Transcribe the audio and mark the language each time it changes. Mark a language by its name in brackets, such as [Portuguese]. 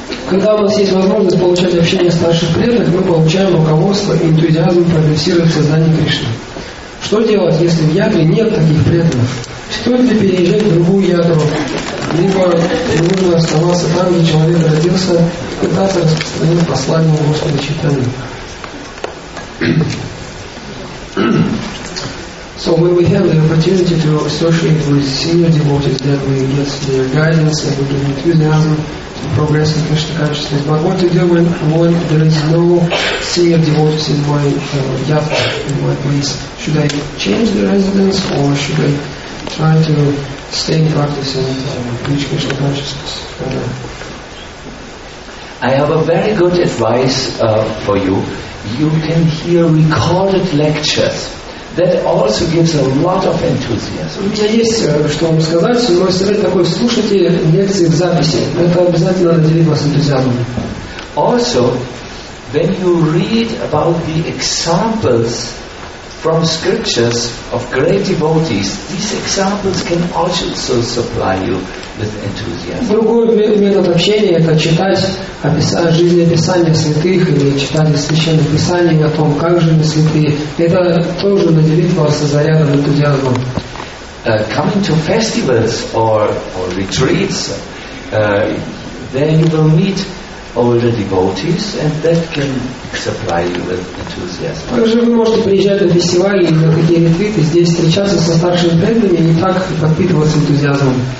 [Russian] Когда у нас есть возможность получать общение старших преданных, мы получаем руководство и энтузиазм прогрессировать в сознании Кришны. Что делать, если в ядре нет таких преданных? Стоит ли переезжать в другую ядру? Либо нужно оставаться там, где человек родился, и пытаться распространить послание Господа Чайтанья? [English] So when we have the opportunity to associate with senior devotees, that we get their guidance and we get enthusiasm to progress in Krishna consciousness. But what to do when there is no senior devotees in my yatra, in my place? Should I change the residence or should I try to stay in practice and reach Krishna consciousness? I have a very good advice for you. You can hear recorded lectures. That also gives a lot of enthusiasm. [Russian] У меня есть что вам сказать, но если вы такой слушаете лекции в записи, это обязательно наделит вас энтузиазмом. [English] Also, when you read about the examples from scriptures of great devotees, these examples can also supply you with enthusiasm. [Russian] Другой метод общения это читать жизнеописания святых или читать священные писания о том, как жили святые. Это тоже наделит вас зарядом энтузиазмом. [English] coming to festivals or retreats, there you will meet all the devotees, and that can supply you with enthusiasm. [Russian] Также вы можете приезжать на фестивали или на какие-то ретриты, здесь встречаться со старшими преданными и так подпитываться энтузиазмом.